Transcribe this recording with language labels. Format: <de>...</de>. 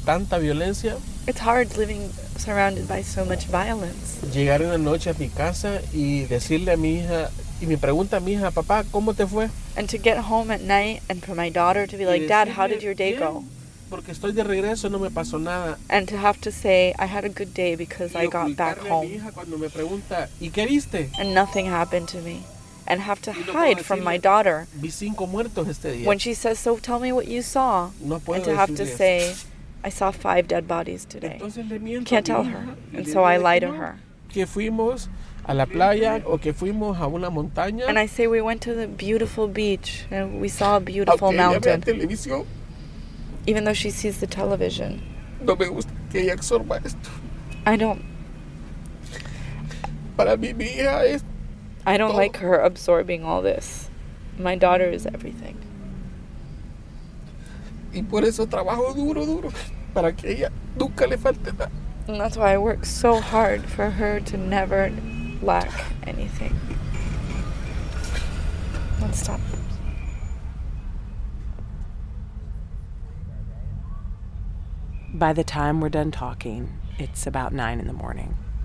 <en>It's hard living surrounded by so much violence.</en> <es>Llegar una noche a mi casa y decirle a mi hija, y me pregunta mi hija, papá, ¿cómo te fue?</es> <en>And to get home at night and for my daughter to be like, Dad, how did your day go?</en> <es>Porque estoy de regreso, no me pasó nada.</es> <en>And to have to say, I had a good day because I got back home.</en> <es>Y ocultarle a mi hija cuando me pregunta, ¿y qué viste?</es> <en>And nothing happened to me. And have to hide from my daughter.</en> <es>Vi cinco muertos este día.</es> <en>When she says, so tell me what you saw.</en> <es>No puedo</es> <en>and to have to say, I saw 5 dead bodies today.</en> <es>Entonces, le miento</es> <en>can't tell</en> <es>hija,</es> <en>her. And so I lie to her.</en> <es>Que fuimos a la playa o que fuimos a una montaña.</es> <en>And I say, we went to the beautiful beach and we saw a beautiful mountain. Even though she sees the television.</en> <es>No me gusta que ella absorba esto.</es> <en>I don't.</en> <es>Para mí, mi hija es</es> <en>I don't like her absorbing all this. My daughter is everything.</en> <es>Y por eso trabajo duro, duro, para que ella nunca le falte nada.</es> <en>And that's why I work so hard for her to never lack anything. Let's stop. By the time we're done talking, it's about 9 a.m.</en>